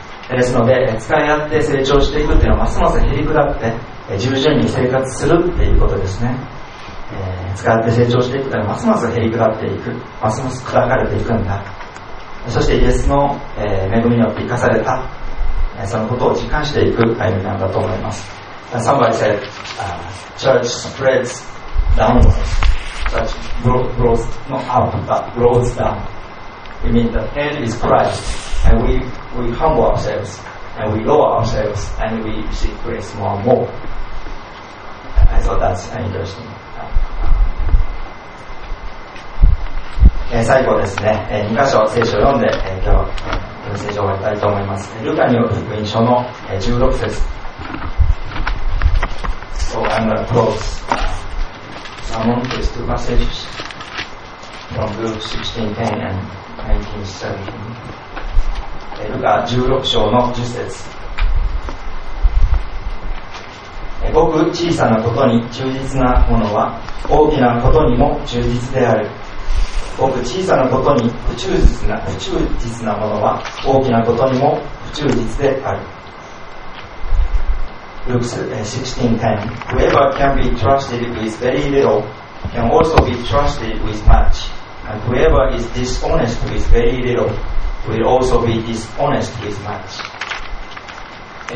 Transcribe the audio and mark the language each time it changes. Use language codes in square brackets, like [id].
[ja] ですので使い合って成長していくというのはますます減り下って従順に生活するということですね。使い合って成長していくというのはますます減り下っていく、ますます砕かれていくんだ。そしてイエスの恵みによって生かされた、そのことを実感していく歩みなんだと思います。 [en] Somebody said church spreads downwards, church grows not up but grows down. We mean the head is Christ, and we humble ourselves and we lower ourselves and we seek grace more and more. I thought that's interesting. [ja] 最後ですね、2箇所聖書を読んで今日メッセージを終わりたいと思います。ルカによる福音書の16節。 [en] So I'm going to close some of these two messages from Luke 16:10 and 19:17. [ja] ルカ16章の10節。ごく小さなことに忠実なものは大きなことにも忠実である。ごく小さなことに不忠実なものは大きなことにも不忠実である。 [en] Luke 16:10 Whoever can be trusted with very little can also be trusted with much, and whoever is dishonest with very little will also be dishonest with much.